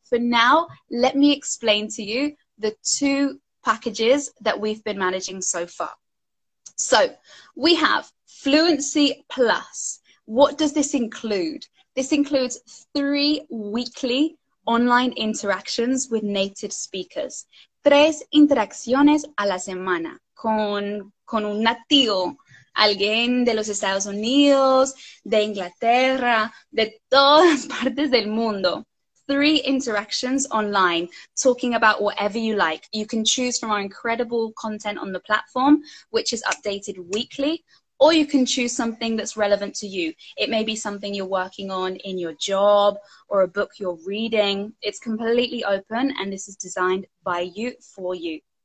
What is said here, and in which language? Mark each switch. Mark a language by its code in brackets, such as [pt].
[en] For now, let me explain to you the two packages that we've been managing so far. So we have Fluency Plus. What does this include? This includes 3 weekly online interactions with native speakers. [es] 3 interacciones a la semana con un nativo, alguien de los Estados Unidos, de Inglaterra, de todas partes del mundo. [en] 3 interactions online, talking about whatever you like. You can choose from our incredible content on the platform, which is updated weekly, or you can choose something that's relevant to you. It may be something you're working on in your job or a book you're reading. It's completely open, and this is designed by you for you.